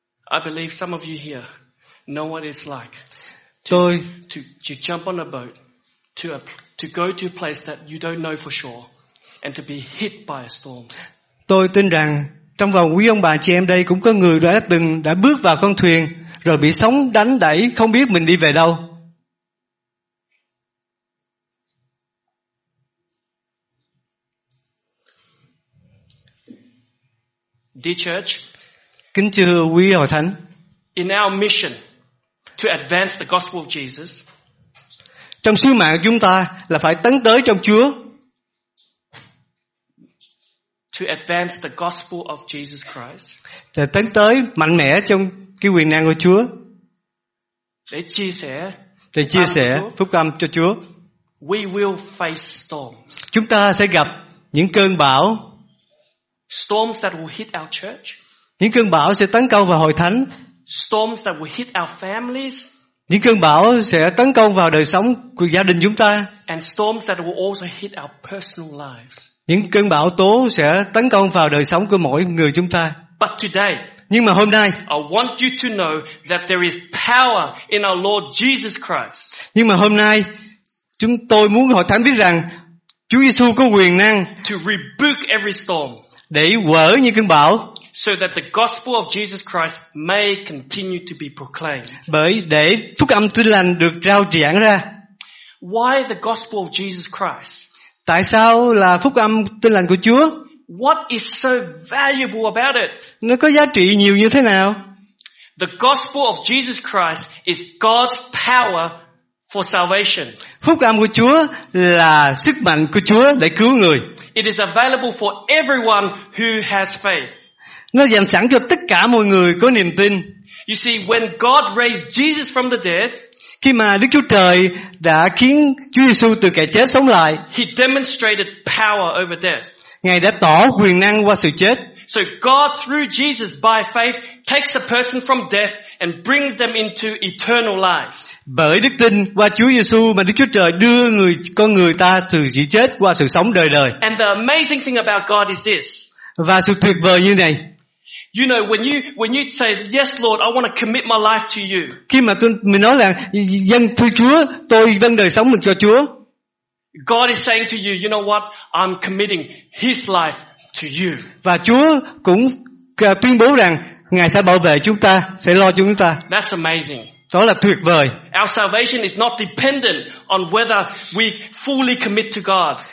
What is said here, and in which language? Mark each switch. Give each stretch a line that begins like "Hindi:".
English: I believe some of you here know what it's like. To jump on a boat to go to a place that you don't know for sure. And to be hit by a storm.
Vietnamese: Tôi tin rằng trong vòng quý ông bà chị em đây cũng có người đã bước vào con thuyền rồi bị sóng đánh đẩy không biết mình đi về đâu.
English: Dear church,
Vietnamese: kính chưa quý hội thánh,
English: in our mission to advance the gospel of Jesus,
Vietnamese: trong sứ mạng chúng ta là phải tấn tới trong Chúa.
English: To advance the gospel of Jesus Christ.
Vietnamese: Để tấn tới mạnh mẽ trong cái quyền năng của Chúa. Để chia sẻ. Để chia sẻ phúc âm cho Chúa.
English: We will face storms.
Vietnamese: Chúng ta sẽ gặp những cơn bão.
English: Storms that will hit our church.
Vietnamese: Những cơn bão sẽ tấn công vào hội thánh.
English: Storms that will hit our families.
Vietnamese: Những cơn bão sẽ tấn công vào đời sống của gia đình chúng ta.
English: And storms that will also hit our personal lives.
Vietnamese: Những cơn bão tố sẽ tấn công vào đời sống của mỗi người chúng ta.
English: But today,
Vietnamese: nhưng mà hôm nay,
English: I want you to know that there is power in our Lord Jesus Christ.
Vietnamese: Nhưng mà hôm nay, chúng tôi muốn hội thánh biết rằng Chúa Giêsu có quyền năng
English: to rebuke every storm.
Vietnamese: Để vỡ những cơn bão.
English: So that the gospel of Jesus Christ may continue to be proclaimed.
Vietnamese: Bởi để phúc âm tin lành được rao giảng ra.
English: Why the gospel of Jesus Christ?
Vietnamese: Tại sao là phúc âm tin lành của Chúa?
English: What is so valuable about it?
Vietnamese: Nó có giá trị nhiều như thế nào?
English: The gospel of Jesus Christ is God's power for salvation.
Vietnamese: Phúc âm của Chúa là sức mạnh của Chúa để cứu người.
English: It is available for everyone who has faith.
Vietnamese: Nó dành sẵn cho tất cả mọi người có niềm tin.
English: You see, when God raised Jesus from the dead,
Vietnamese: khi mà Đức Chúa Trời đã khiến Chúa Giêsu từ kẻ chết sống lại,
English: He demonstrated power over death.
Vietnamese: Ngài đã tỏ quyền năng qua sự chết.
English: So God through Jesus by faith takes a person from death and brings them into eternal life.
Vietnamese: Bởi đức tin qua Chúa Giêsu mà Đức Chúa Trời đưa người con người ta từ sự chết qua sự sống đời đời.
English: And the amazing thing about God is this.
Vietnamese: Và sự tuyệt vời như này.
English: You know, when you say yes Lord, I want to commit my life to you.
Vietnamese: Khi mà mình nói là dâng thưa Chúa, tôi dâng đời sống mình cho Chúa.
English: God is saying to you, you know what? I'm committing his life to you.
Vietnamese: Và Chúa cũng tuyên bố rằng Ngài sẽ bảo vệ chúng ta, sẽ lo cho chúng ta.
English: That's amazing.
Vietnamese: Đó là tuyệt vời.
English: Our salvation is not dependent on whether we fully commit to God.